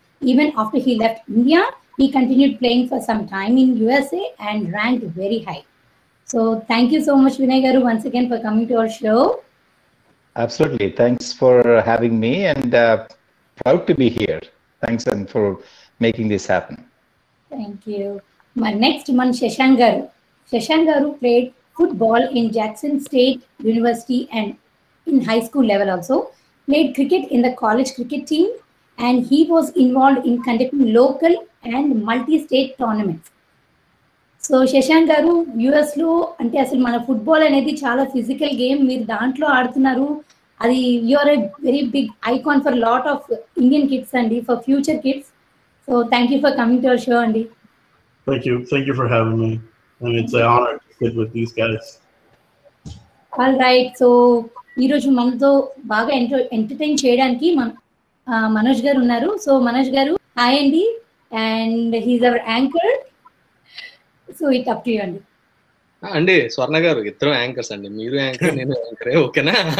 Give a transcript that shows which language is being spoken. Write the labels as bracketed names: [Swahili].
[English] Even after he left India, he continued playing for some time in USA and ranked very high. So thank you so much Vinay Garu once again for coming to our show. Absolutely, thanks for having me and proud to be here. Thanks and for making this happen. Thank you. [Telugu] మరి next మన శశాంక్ గారు. [English] Shashank garu played football in Jackson State University and in high school level also. Played cricket in the college cricket team and he was involved in conducting local and multi state tournaments. [Telugu] So Shashank గారు, యుఎస్లో అంటే అసలు మన football అనేది చాలా physical game, మీరు దాంట్లో ఆడుతున్నారు, [English] అది you're a very big icon for lot of Indian kids అండి, for future kids. So thank you for coming to our show అండి. Thank you for having me. I mean, it's an honor to sit with these guys. [Telugu] All right so ఈరోజు మనతో బాగా entertain చేయడానికి మనోజ్ గారు ఉన్నారు. [English] So Manoj garu hi అండి, and he's our anchor. So it up to you అండి. [Telugu] అండి స్వర్ణ గారు ఇద్దరు యాంకర్స్ అండి, మీరు యాంకర్ నేను యాంకర్, ఓకేనా?